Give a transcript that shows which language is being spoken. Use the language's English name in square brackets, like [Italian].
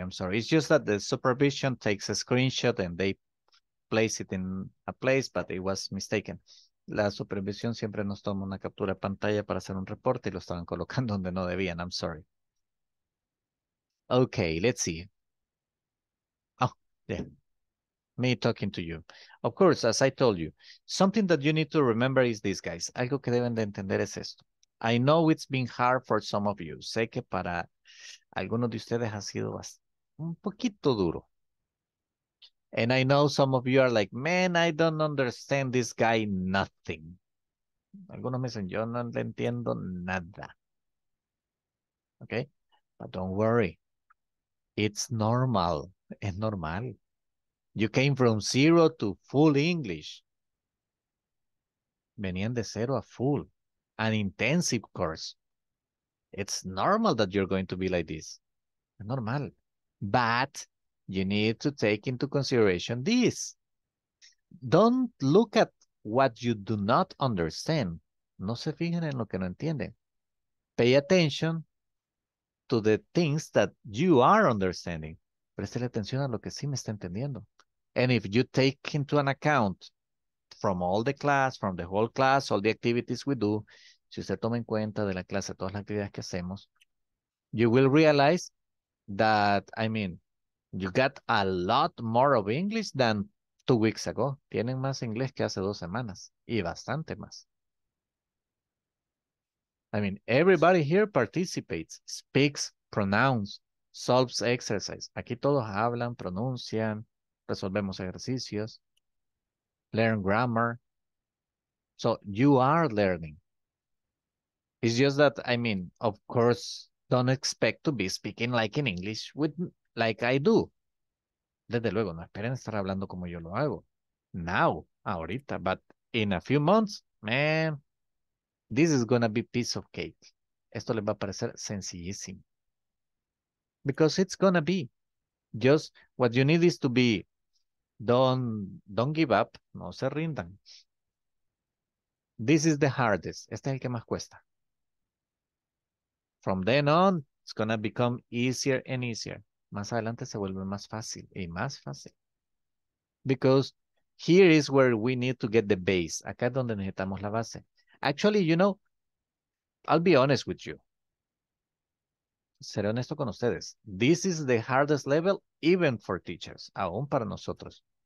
[English] It's just that the supervision takes a screenshot and they place it in a place, but it was mistaken. [Spanish] La supervisión siempre nos toma una captura de pantalla para hacer un reporte y lo estaban colocando donde no debían. [English] I'm sorry. Okay, let's see. Oh, yeah. Me talking to you. Of course, as I told you, something that you need to remember is this, guys. [Spanish] Algo que deben de entender es esto. [English] I know it's been hard for some of you. [Spanish] Sé que para algunos de ustedes ha sido un poquito duro. [English] And I know some of you are like, man, I don't understand this guy nothing. [Spanish] Algunos me dicen, yo no le entiendo nada. [English] Okay? But don't worry. It's normal. [Spanish] Es normal. [English] You came from zero to full English. [Spanish] Venían de cero a full. [English] An intensive course. It's normal that you're going to be like this. Normal. But you need to take into consideration this. Don't look at what you do not understand. [Spanish] No se fijen en lo que no entienden. [English] Pay attention to the things that you are understanding. [Spanish] Prestele atención a lo que sí me está entendiendo. [English] And if you take into an account from all the class, from the whole class, all the activities we do, [Spanish] si usted toma en cuenta de la clase, todas las actividades que hacemos, [English] you will realize that, I mean, you got a lot more of English than 2 weeks ago. [Spanish] Tienen más inglés que hace 2 semanas y bastante más. [English] I mean, everybody here participates, speaks, pronounces, solves exercise. [Spanish] Aquí todos hablan, pronuncian, resolvemos ejercicios, [English] learn grammar. So you are learning. It's just that, I mean, of course, don't expect to be speaking like in English with like I do. [Spanish] Desde luego, no esperen estar hablando como yo lo hago. [English] Now, ahorita, but in a few months, man, this is gonna be piece of cake. [Spanish] Esto les va a parecer sencillísimo. [English] Because it's gonna be. Just what you need is to be, don't give up, [Spanish] no se rindan. [English] This is the hardest. [Spanish] Este es el que más cuesta. [English] From then on, it's gonna become easier and easier. [Spanish] Más adelante se vuelve más fácil y más fácil. [English] Because here is where we need to get the base. [Spanish] Acá es donde necesitamos la base. [English] Actually, you know, I'll be honest with you. [Spanish] Seré honesto con ustedes. [English] This is the hardest level even for teachers, [Spanish] aún para nosotros.